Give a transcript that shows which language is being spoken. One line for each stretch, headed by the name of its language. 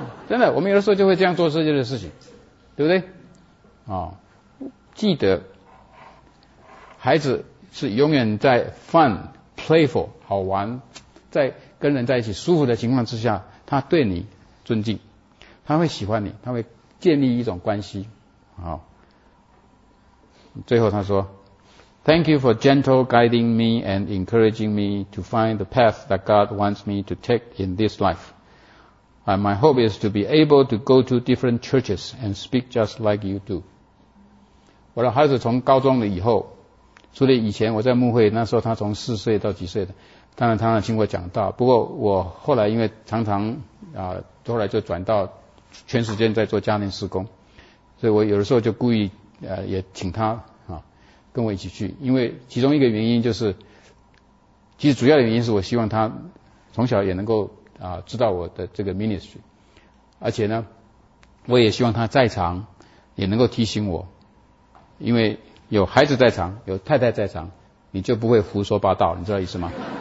Chinese: 真的，我们有的时候就会这样做这些的事情，对不对？啊、哦，记得，孩子是永远在 fun、playful、好玩，在跟人在一起舒服的情况之下，他对你尊敬，他会喜欢你，他会建立一种关系。好、哦，最后他说。
English: Thank you for gentle guiding me and encouraging me to find the path that God wants me to take in this life. And my hope is to be able to go to different churches and speak just like you do.
Chinese: 我的孩子从高中了以后，除了以前我在牧会，那时候他从四岁到几岁的，当然他常常听我讲道。不过我后来因为常常后来就转到全时间在做家庭事工，所以我有的时候就故意也请他跟我一起去，因为其中一个原因就是，其实主要的原因是我希望他从小也能够知道我的这个 ministry， 而且呢，我也希望他在场也能够提醒我，因为有孩子在场，有太太在场，你就不会胡说八道，你知道意思吗？